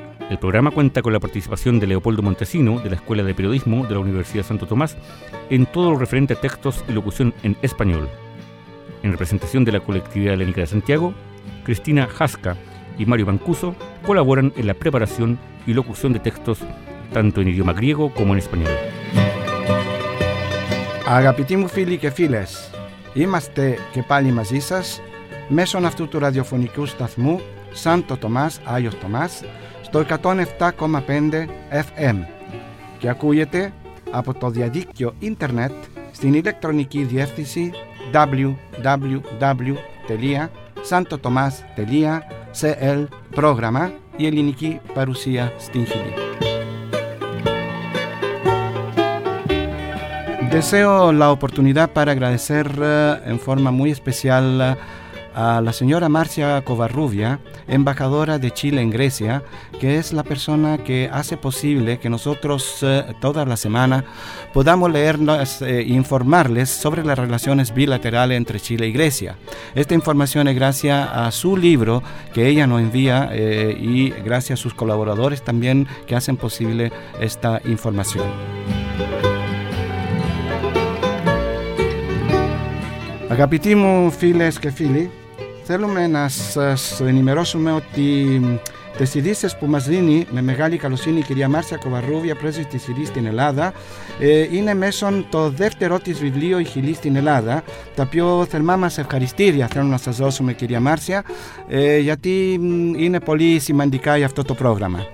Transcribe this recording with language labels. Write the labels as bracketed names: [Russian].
[Spanish] El programa cuenta con la participación de Leopoldo Montesino, de la Escuela de Periodismo de la Universidad Santo Tomás, en todo lo referente a textos y locución en español. En representación de la Colectividad Helénica de Santiago, Cristina Jasca y Mario Mancuso colaboran en la preparación y locución de textos, tanto en idioma griego como en español. [Greek] Αγαπητοί μου φίλοι και φίλες, είμαστε και πάλι μαζί σας μέσω αυτού του ραδιοφωνικού σταθμού Σάντο Τομάς, Άγιος Τομάς, στο 107,5 FM και ακούγεται από το διαδίκτυο ίντερνετ στην ηλεκτρονική διεύθυνση www.santotomas.cl πρόγραμμα η ελληνική παρουσία στην Χιλή. [Spanish] Deseo la oportunidad para agradecer en forma muy especial a la señora Marcia Covarrubia, embajadora de Chile en Grecia, que es la persona que hace posible que nosotros toda la semana podamos leernos e informarles sobre las relaciones bilaterales entre Chile y Grecia. Esta información es gracias a su libro que ella nos envía y gracias a sus colaboradores también que hacen posible esta información. [Greek] Αγαπητοί μου φίλες και φίλοι, θέλουμε να σας ενημερώσουμε ότι τις ειδήσεις που μας δίνει με μεγάλη καλοσύνη η κυρία Μάρσια Κοβαρρούβια, πρέσβης της Χιλής στην Ελλάδα, είναι μέσω το δεύτερο της βιβλίο «Η Χιλή στην Ελλάδα», τα πιο θερμά μας ευχαριστήρια θέλουμε να σας δώσουμε, κυρία Μάρσια, γιατί είναι πολύ σημαντικά για αυτό το πρόγραμμα.